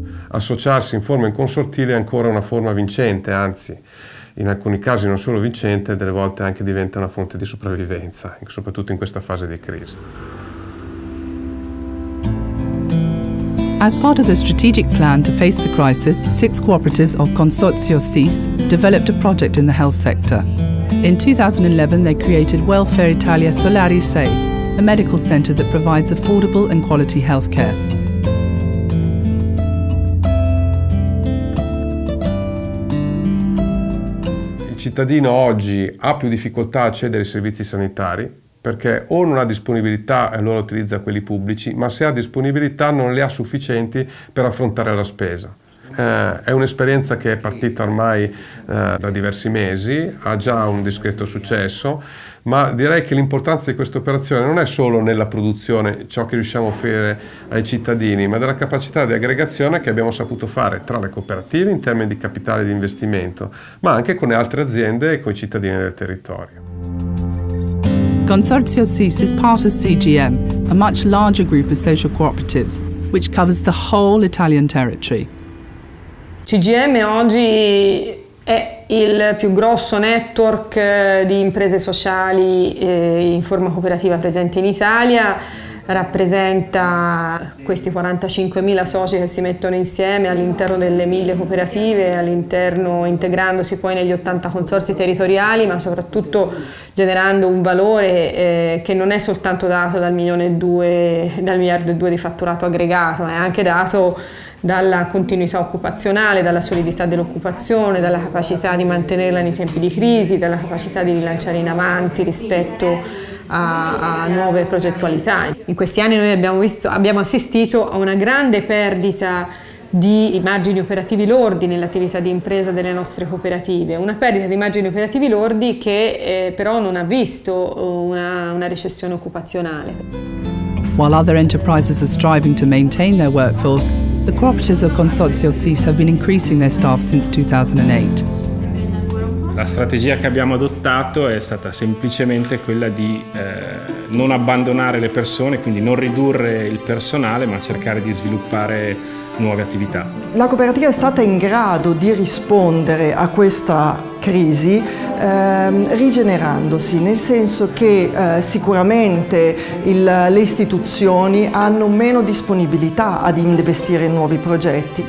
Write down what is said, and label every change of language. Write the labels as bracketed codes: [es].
[it] Associarsi in forma in consortile è ancora una forma vincente, anzi, in alcuni casi non solo vincente, delle volte anche diventa una fonte di sopravvivenza, soprattutto in questa fase di crisi. [en] As part of the strategic plan to face the crisis, 6 cooperatives of Consorzio SIS developed a project in the health sector. In 2011 they created Welfare Italia Solari 6, a medical center that provides affordable and quality healthcare. [it] Il cittadino oggi ha più difficoltà a accedere ai servizi sanitari perché o non ha disponibilità e allora utilizza quelli pubblici, ma se ha disponibilità non le ha sufficienti per affrontare la spesa. È un'esperienza che è partita ormai da diversi mesi, ha già un discreto successo, ma direi che l'importanza di questa operazione non è solo nella produzione, ciò che riusciamo a offrire ai cittadini, ma della capacità di aggregazione che abbiamo saputo fare tra le cooperative in termini di capitale di investimento, ma anche con le altre aziende e con i cittadini del territorio. [en] Consorzio SIS is part of CGM, a much larger group of social cooperatives, which covers the whole Italian territory. [it] CGM oggi è il più grosso network di imprese sociali in forma cooperativa presente in Italia, rappresenta questi 45.000 soci che si mettono insieme all'interno delle 1.000 cooperative, all'interno integrandosi poi negli 80 consorzi territoriali, ma soprattutto generando un valore che non è soltanto dato dal 1.2 miliardi di fatturato aggregato, ma è anche dato dalla continuità occupazionale, dalla solidità dell'occupazione, dalla capacità di mantenerla nei tempi di crisi, dalla capacità di rilanciare in avanti rispetto a nuove progettualità. In questi anni noi abbiamo assistito a una grande perdita di margini operativi lordi nell'attività di impresa delle nostre cooperative, una perdita di margini operativi lordi che però non ha visto una recessione occupazionale. [en] While other enterprises are striving to maintain their workforce, the cooperatives of Consorzio SIS have been increasing their staff since 2008. [it] La strategia che abbiamo adottato è stata semplicemente quella di non abbandonare le persone, quindi non ridurre il personale, ma cercare di sviluppare nuove attività. La cooperativa è stata in grado di rispondere a questa crisi rigenerandosi, nel senso che sicuramente le istituzioni hanno meno disponibilità ad investire in nuovi progetti.